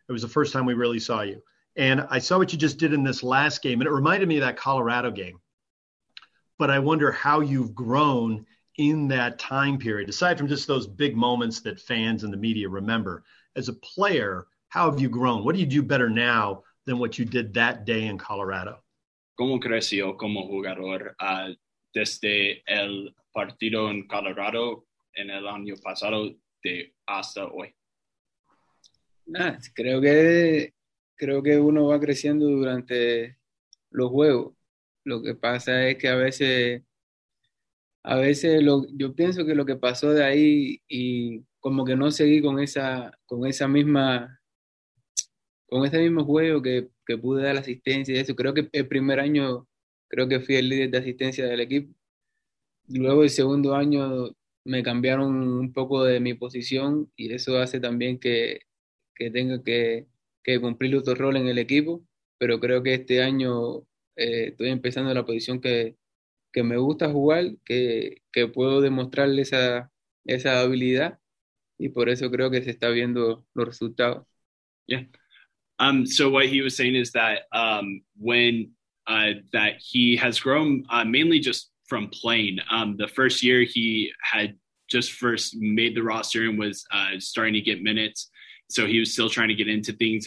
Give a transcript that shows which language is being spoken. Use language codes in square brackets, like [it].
[en] It was the first time we really saw you. And I saw what you just did in this last game, and it reminded me of that Colorado game. But I wonder how you've grown in that time period, aside from just those big moments that fans and the media remember. As a player, how have you grown? What do you do better now than what you did that day in Colorado? [es] ¿Cómo creció como jugador desde el partido en Colorado en el año pasado de hasta hoy? Nah, creo que uno va creciendo durante los juegos. Lo que pasa es que a veces yo pienso que lo que pasó de ahí y como que no seguí con ese mismo juego que pude dar asistencia y eso. Creo que el primer año creo que fui el líder de asistencia del equipo. Luego el segundo año me cambiaron un poco de mi posición y eso hace también que tenga que cumplir otro rol en el equipo. Pero creo que este año estoy empezando la posición que me gusta jugar, que puedo demostrarle esa habilidad, y por eso creo que se está viendo los resultados. [en] Yeah. So what he was saying is that that he has grown mainly just from playing. The first year he had just first made the roster and was starting to get minutes, so he was still trying to get into things.